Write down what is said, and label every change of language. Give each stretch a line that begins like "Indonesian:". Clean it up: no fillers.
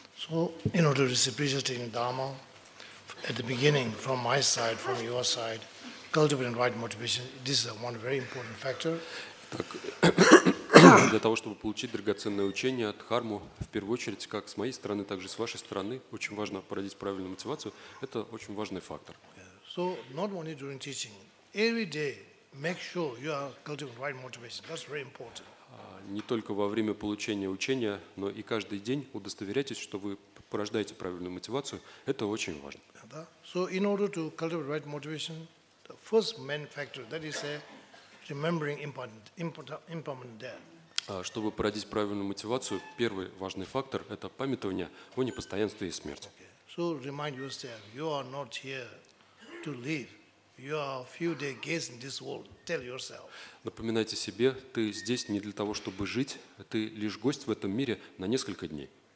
English: Well, in order to appreciate Dharma, at the beginning, from my side, from your side, cultivating right motivation, this is one very important factor.
Russian: Для того, чтобы получить драгоценное учение от Дхарму, в первую очередь, как с моей стороны, так же с вашей стороны, очень важно породить правильную мотивацию. Это очень важный фактор.
English: So, not only during teaching, every day, make sure you are cultivating right motivation. That's very important.
Russian: Не только во время получения учения, но и каждый день удостоверяйтесь, что вы порождаете правильную мотивацию. Это очень важно.
English: So, in order to cultivate right motivation, the first main factor, that is remembering impermanent death.
Russian: Чтобы породить правильную мотивацию, первый важный фактор – это памятование о непостоянстве и смерти.
English: So remind yourself, you are not here to live. You are a few days guest in this world. Tell yourself.
Russian: Напоминайте себе, ты здесь не для того, чтобы жить, ты лишь гость в этом мире на несколько дней.